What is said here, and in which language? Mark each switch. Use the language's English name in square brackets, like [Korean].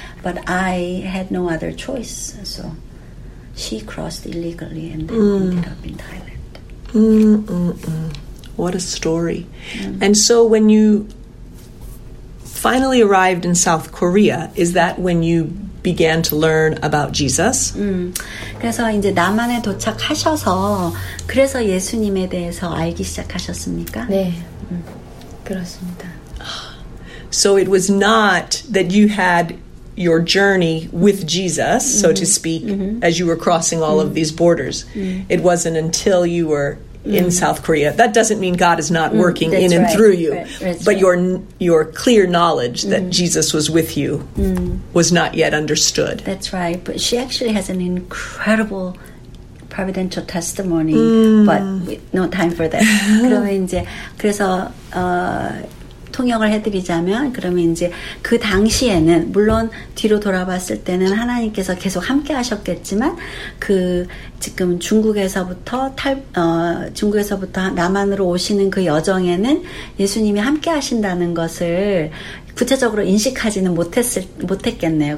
[English] But I had no other choice, so she crossed illegally and then ended up in Thailand. What a story. And so when you finally arrived in South Korea, is that when you began to learn about Jesus? [Korean] 그래서 이제 남한에 도착하셔서 그래서 예수님에 대해서 알기 시작하셨습니까? 네. 그렇습니다. [English] So it was not that you had your journey with Jesus, so to speak, as you were crossing all of these borders. It wasn't until you were in South Korea. That doesn't mean God is not working in and through you, but your clear knowledge that Jesus was with you was not yet understood. That's right. But she actually has an incredible providential testimony, but no time for that. [Korean] 그러면 이제 그래서 통역을 해드리자면 그러면 이제 그 당시에는 물론 뒤로 돌아봤을 때는 하나님께서 계속 함께 하셨겠지만 그 지금 중국에서부터 중국에서부터 남한으로 오시는 그 여정에는 예수님이 함께 하신다는 것을 구체적으로 인식하지는 못했겠네요.